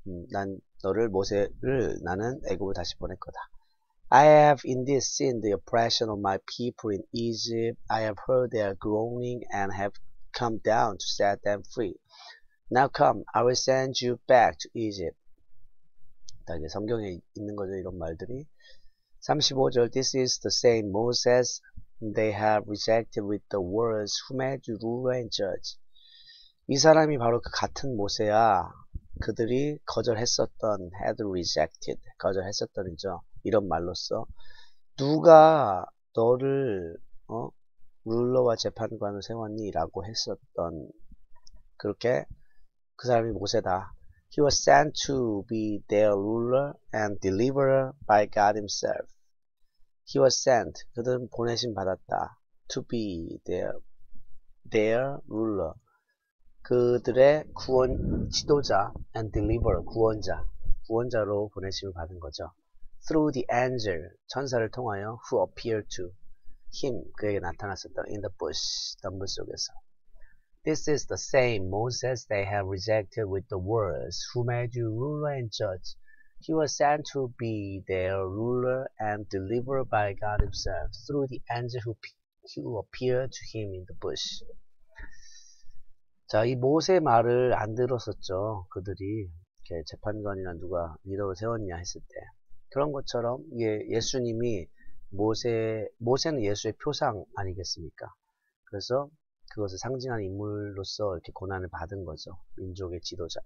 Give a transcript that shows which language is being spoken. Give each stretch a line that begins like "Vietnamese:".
Korean: 난 너를 모세를 나는 애굽을 다시 보낼 거다.
English: I have indeed seen the oppression of my people in Egypt. I have heard their groaning and have come down to set them free. Now come, I will send you back to Egypt.
Korean: 이게 성경에 있는 거죠, 이런 말들이.
English: 35절, This is the same Moses they have rejected with the words who made you ruler and judge.
Korean: 이 사람이 바로 그 같은 모세야. 그들이 거절했었던,
English: had rejected,
Korean: 거절했었던이죠. 이런 말로써. 누가 너를, ruler와 재판관을 세웠니? 라고 했었던. 그렇게. 그 사람이 모세다.
English: He was sent to be their ruler and deliverer by God himself. He was sent.
Korean: 그들은 보내심 받았다.
English: To be their ruler.
Korean: 그들의 구원 지도자
English: and deliverer,
Korean: 구원자. 구원자로 보내심을 받은 거죠.
English: Through the angel,
Korean: 천사를 통하여
English: who appeared to him,
Korean: 그에게 나타났었던
English: in the bush,
Korean: 덤불 속에서.
English: This is the same Moses they have rejected with the words, who made you ruler and judge. He was sent to be their ruler and deliverer by God himself through the angel who appeared to him in the bush.
Korean: 자, 이 모세 말을 안 들었었죠. 그들이 이렇게 재판관이나 누가 리더로 세웠냐 했을 때. 그런 것처럼 예수님이 모세는 예수의 표상 아니겠습니까? 그래서 그것을 상징하는 인물로서 이렇게 고난을 받은 거죠. 민족의 지도자.